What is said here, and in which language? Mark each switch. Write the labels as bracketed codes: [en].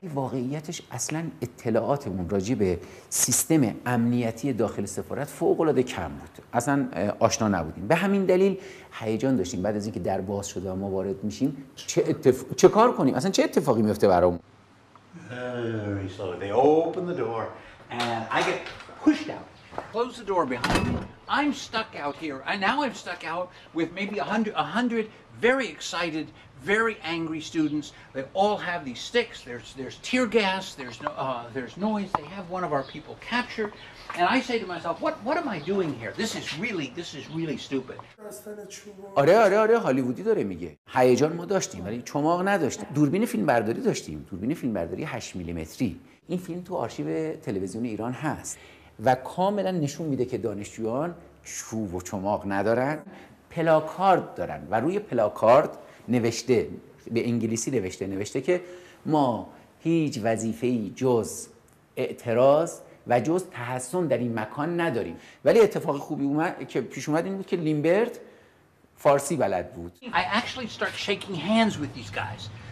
[fa] واقعیتش اصلاً اطلاعاتمون راجع به سیستم امنیتی داخل سفارت فوق‌العاده کم بود. اصلاً آشنا نبودیم. به همین دلیل هیجان داشتیم بعد از اینکه در باز شد و ما وارد میشیم چه کار کنیم؟ اصلاً چه اتفاقی میفته برامون؟ [en] Very slowly. They open the door and I get pushed out. Close the door behind me. I'm stuck out here. And now I'm stuck out with maybe 100 very excited, very angry students. They all have these sticks. There's tear gas. There's noise. They have one of our people captured. And I say to myself, what am I doing here? This is really stupid. [fa] آره هالیوودی داره میگه. هیجان ما داشتیم ولی چماق نداشتیم. دوربین فیلم برداری داشتیم. دوربین فیلم برداری 8 میلیمتری. این فیلم تو آرشیو تلویزیون ایران هست. و کاملا نشون میده که دانشجویان چوب و چماق ندارن، پلاکارد دارن و روی پلاکارد نوشته، به انگلیسی نوشته که ما هیچ وظیفه‌ای جز اعتراض و جز تحصن در این مکان نداریم. ولی اتفاق خوبی اومد که پیش اومد این بود که لیمبرت فارسی بلد بود. [en] I actually start shaking hands with these guys.